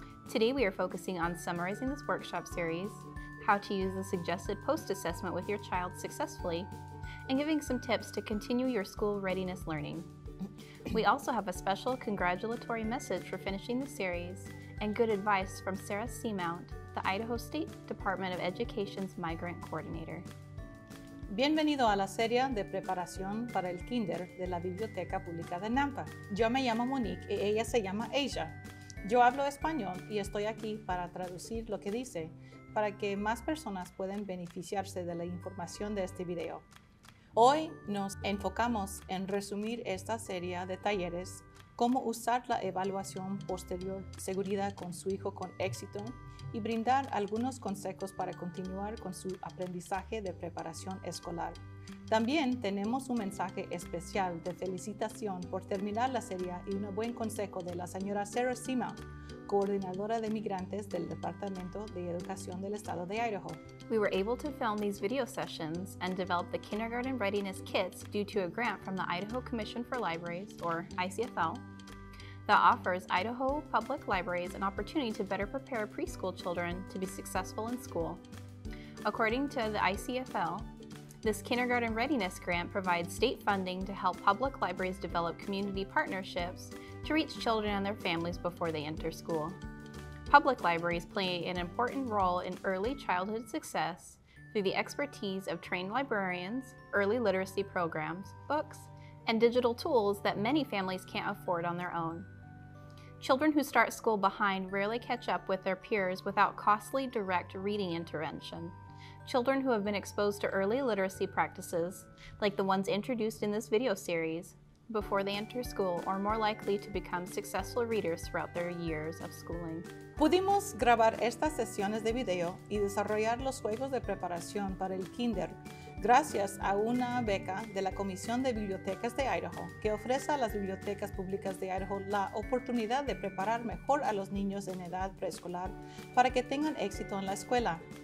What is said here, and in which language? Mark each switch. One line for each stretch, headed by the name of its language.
English: Today we are focusing on summarizing this workshop series, how to use the suggested post-assessment with your child successfully, and giving some tips to continue your school readiness learning. We also have a special congratulatory message for finishing the series and good advice from Sarah Seamount, the Idaho State Department of Education's Migrant Coordinator.
Spanish: Bienvenido a la serie de preparación para el kinder de la Biblioteca Pública de Nampa. Yo me llamo Monique y ella se llama Azzia. Yo hablo español y estoy aquí para traducir lo que dice para que más personas puedan beneficiarse de la información de este video. Hoy nos enfocamos en resumir esta serie de talleres, cómo usar la evaluación posterior seguridad con su hijo con éxito y brindar algunos consejos para continuar con su aprendizaje de preparación escolar. También tenemos un mensaje especial de felicitación por terminar la serie y un buen consejo de la señora Sarah Seamount, coordinadora de migrantes del Departamento de Educación del Estado de Idaho.
English: We were able to film these video sessions and develop the kindergarten readiness kits due to a grant from the Idaho Commission for Libraries, or ICFL, that offers Idaho Public Libraries an opportunity to better prepare preschool children to be successful in school. According to the ICFL, this kindergarten readiness grant provides state funding to help public libraries develop community partnerships to reach children and their families before they enter school. Public libraries play an important role in early childhood success through the expertise of trained librarians, early literacy programs, books, and digital tools that many families can't afford on their own. Children who start school behind rarely catch up with their peers without costly direct reading intervention. Children who have been exposed to early literacy practices, like the ones introduced in this video series, before they enter school are more likely to become successful readers throughout their years of schooling.
Spanish: Pudimos grabar estas sesiones de video y desarrollar los juegos de preparación para el kinder gracias a una beca de la Comisión de Bibliotecas de Idaho que ofrece a las bibliotecas públicas de Idaho la oportunidad de preparar mejor a los niños en edad preescolar para que tengan éxito en la escuela.